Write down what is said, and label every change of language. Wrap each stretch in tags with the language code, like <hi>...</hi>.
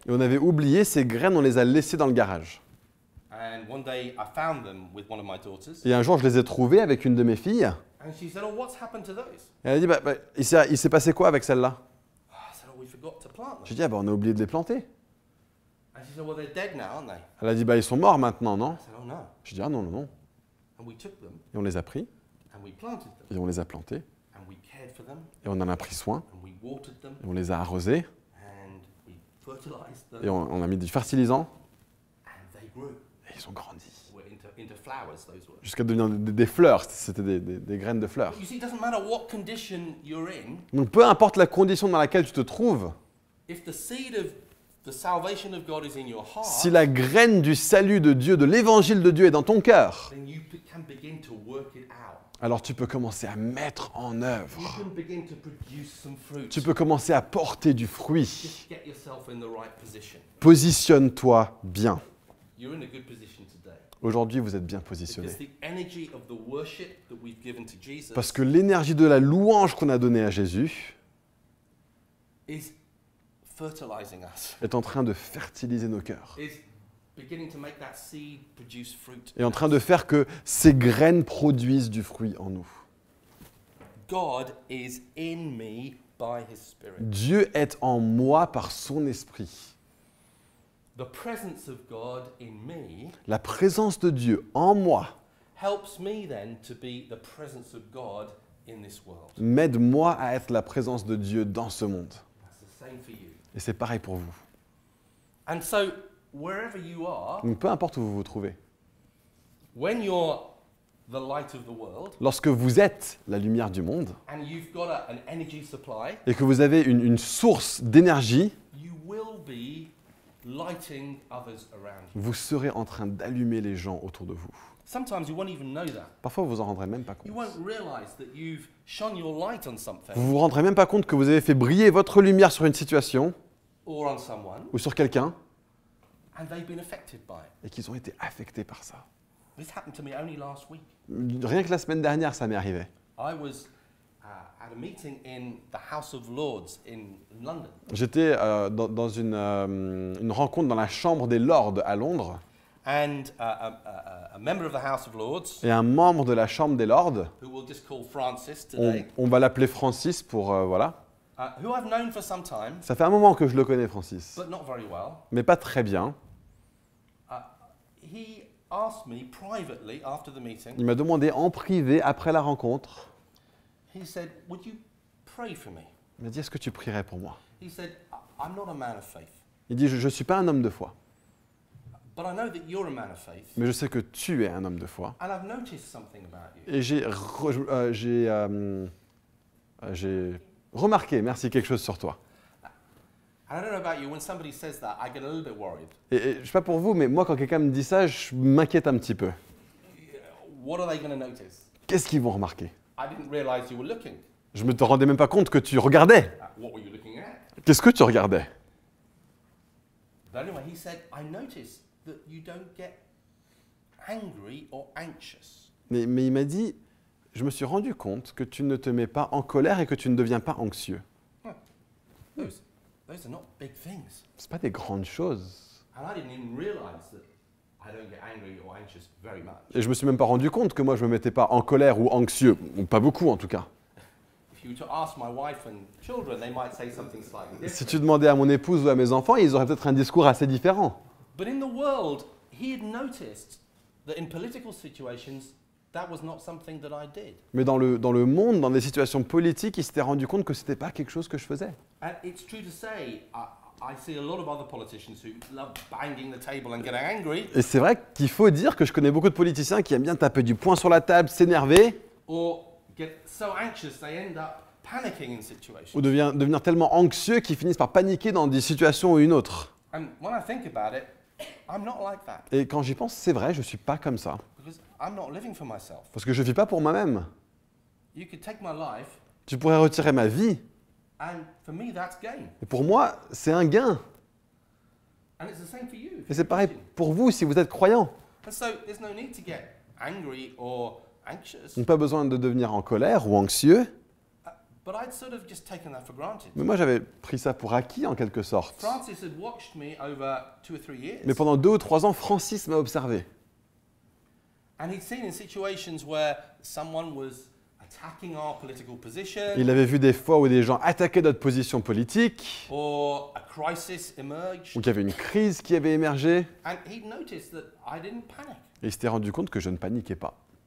<fr>Et on avait oublié ces graines, on les a laissées dans le garage.</fr> <en>And one day I found them with one of my daughters.</en> <fr>Et un jour, je les ai trouvées avec une de mes filles.</fr> <en>And she said, "Oh, what's happened to those?"</en> <fr>Et elle a dit, il s'est passé quoi avec celles-là?</fr> <en>I said, "Oh, we forgot to plant them."</en> <fr>J'ai dit, on a oublié de les planter.</fr> <en>And she said, "Well, they're dead now, aren't they?"</en> <fr>Elle a dit, ils sont morts maintenant, non?</fr> <en>I said, "Oh, no."</en> <fr>J'ai dit, non.</fr> <en>And we took them.</en> <fr>Et on les a pris.</fr> <en>And we planted them.</en> <fr>Et on les a plantés.</fr> <en>And we cared for them.</en> <fr>Et on en a pris soin.</fr> <en>And we watered them.</en> <fr>Et on les a arrosés.</fr> <en>And we fertilized them.</en> <fr>Et on a mis du fertilisant.</fr> <en>And they grew.</en> <fr>Ils ont grandi.</fr> <en>Into flowers, those were.</en> <fr>Jusqu'à devenir des fleurs, c'était des graines de fleurs.</fr> <en>You see, it doesn't matter what condition you're in,</en> <fr>donc peu importe la condition dans laquelle tu te trouves,</fr> <en>if the seed of the salvation of God is in your heart,</en> <fr>si la graine du salut de Dieu, de l'évangile de Dieu est dans ton cœur,</fr> <en>then you can begin to work it out.</en> <fr>Alors tu peux commencer à mettre en œuvre.</fr> <en>You can begin to produce some fruit.</en> <fr>Tu peux commencer à porter du fruit.</fr> <en>Just get yourself in the right position.</en> <fr>Positionne-toi bien.</fr> <en>You're in a good position today.</en> <fr>Aujourd'hui, vous êtes bien positionné.</fr> <en>Because the energy of the worship that we've given to Jesus,</en> <fr>parce que l'énergie de la louange qu'on a donnée à Jésus</fr> <en>is fertilizing us.</en> <fr>Est en train de fertiliser nos cœurs.</fr> <en>Is beginning to make that seed produce fruit.</en> <fr>Est en train de faire que ces graines produisent du fruit en nous.</fr> <en>God is in me by his spirit.</en> <fr>Dieu est en moi par son esprit.</fr> <en>The presence of God in me,</en> <fr>la présence de Dieu en moi,</fr> <en>helps me then to be the presence of God in this world.</en> <fr>M'aide moi à être la présence de Dieu dans ce monde.</fr> <en>That's the same for you.</en> <fr>Et c'est pareil pour vous.</fr> <en>And so, wherever you are,</en> <fr>donc peu importe où vous vous trouvez,</fr> <en>when you're the light of the world,</en> <fr>lorsque vous êtes la lumière du monde,</fr> <en>and you've got an energy supply,</en> <fr>et que vous avez une source d'énergie,</fr> <en>you will be lighting others around you.</en> <fr>Vous serez en train d'allumer les gens autour de vous.</fr> <en>Sometimes you won't even know that.</en> <fr>Parfois, vous vous en rendrez même pas compte.</fr> <en>You won't realize that you've shone your light on something.</en> <fr>Vous vous rendrez même pas compte que vous avez fait briller votre lumière sur une situation</fr> <en>or on someone,</en> <fr>ou sur quelqu'un</fr> <en>and they've been affected by it.</en> <fr>Et qu'ils ont été affectés par ça.</fr> <en>This happened to me only last week.</en> <fr>Rien que la semaine dernière, ça m'est arrivé.</fr> <en>I was at a meeting in the House of Lords in London.</en> <fr>J'étais dans une rencontre dans la Chambre des Lords à Londres.</fr> <en>And a member of the House of Lords.</en> <fr>Et un membre de la Chambre des Lords.</fr> <en>Who we'll just call Francis today.</en> <fr>On va l'appeler Francis pour voilà.</fr> <en>Who I've known for some time.</en> <fr>Ça fait un moment que je le connais, Francis.</fr> <en>But not very well.</en> <fr>Mais pas très bien.</fr> <en>He asked me privately after the meeting.</en> <fr>Il m'a demandé en privé après la rencontre.</fr> <en>He said, "Would you pray for me?"</en> <fr>Il m'a dit, est-ce que tu prierais pour moi?</fr> <en>He said, "I'm not a man of faith."</en> <fr>Il dit, je suis pas un homme de foi.</fr> <en>But I know that you're a man of faith.</en> <fr>Mais je sais que tu es un homme de foi.</fr> <en>And I've noticed something about you.</en> <fr>Et j'ai remarqué, merci, quelque chose sur toi.</fr> <en>And I don't know about you, when somebody says that, I get a little bit worried.</en> <fr>Et je sais pas pour vous, mais moi, quand quelqu'un me dit ça, je m'inquiète un petit peu.</fr> <en>What are they going to notice?</en> <fr>Qu'est-ce qu'ils vont remarquer?</fr> <en>I didn't realize you were looking.</en> <fr>Je me te rendais même pas compte que tu regardais.</fr> <en>What were you looking at?</en> <fr>Qu'est-ce que tu regardais?</fr> <en>But anyway, he said, I notice that you don't get angry or anxious.</en> <fr>Mais il m'a dit, je me suis rendu compte que tu ne te mets pas en colère et que tu ne deviens pas anxieux.</fr> <en>Huh. Those are not big things.</en> <fr>C'est pas des grandes choses.</fr> <en>And I didn't even realize that. I don't get angry or anxious very much.</en> <fr>Et je me suis même pas rendu compte que moi je me mettais pas en colère ou anxieux, ou pas beaucoup en tout cas.</fr> <en>If you were to ask my wife and children, they might say something slightly different.</en> <fr>Si tu demandais à mon épouse ou à mes enfants, ils auraient peut-être un discours assez différent.</fr> <en>But in the world, he had noticed that in political situations, that was not something that I did.</en> <fr>Mais dans le monde, dans des situations politiques, il s'était rendu compte que c'était pas quelque chose que je faisais.</fr> <en>And it's true to say, I see a lot of other politicians who love banging the table and getting angry.</en> <fr>Et c'est vrai qu'il faut dire que je connais beaucoup de politiciens qui aiment bien taper du poing sur la table, s'énerver.</fr> <en>Or get so anxious they end up panicking in situations.</en> <fr>Ou devenir tellement anxieux qu'ils finissent par paniquer dans des situations ou une autre.</fr> <en>And when I think about it, I'm not like that.</en> <fr>Et quand j'y pense, c'est vrai, je ne suis pas comme ça.</fr> <en>Because I'm not living for myself.</en> <fr>Parce que je ne vis pas pour moi-même.</fr> <en>You could take my life,</en> <fr>tu pourrais retirer ma vie.</fr> <en>And for me, that's gain.</en> <fr>Et pour moi, c'est un gain.</fr> <en>And it's the same for you,</en> <fr>et c'est pareil pour vous si vous êtes croyant.</fr> <en>And so, there's no need to get angry or anxious.</en> <fr>Donc, pas besoin de devenir en colère ou anxieux.</fr> <en>But I'd sort of just taken that for granted.</en> <fr>Mais moi, j'avais pris ça pour acquis, en quelque sorte.</fr> <en>Francis had watched me over two or three years.</en> <fr>Mais pendant 2 ou 3 ans, Francis m'a observé.</fr> <en>And he'd seen in situations where someone was attacking our political position,</en> <fr>il avait vu des fois où des gens attaquaient notre position politique,</fr> <en>or a crisis emerged,</en> <fr>ou qu'il y avait une crise qui avait émergé.</fr> <en>And he'd noticed that I didn't panic.</en> <fr>Et il s'était rendu compte que je ne paniquais pas.</fr>